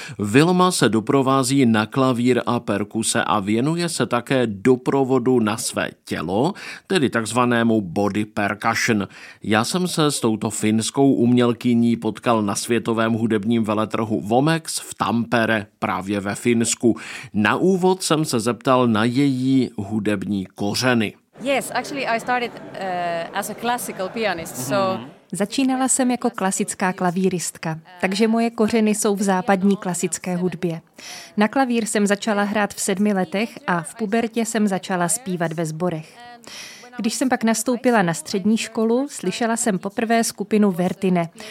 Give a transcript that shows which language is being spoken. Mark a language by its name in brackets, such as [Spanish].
[Czech] Vilma se doprovází na klavír a perkuse a věnuje se také doprovodu na své tělo, tedy takzvanému body percussion. Já jsem se s touto finskou umělkyní potkal na světovém hudebním veletrhu Vomex v Tampere, právě ve Finsku. Na úvod jsem se zeptal na její hudební kořeny. [English] Yes, actually I started as a classical pianist. So [Czech] začínala jsem jako klasická klavíristka, takže moje kořeny jsou v západní klasické hudbě. Na klavír jsem začala hrát v 7 letech a v pubertě jsem začala zpívat ve sborech. Když jsem pak nastoupila na střední školu, slyšela jsem poprvé skupinu Vertine.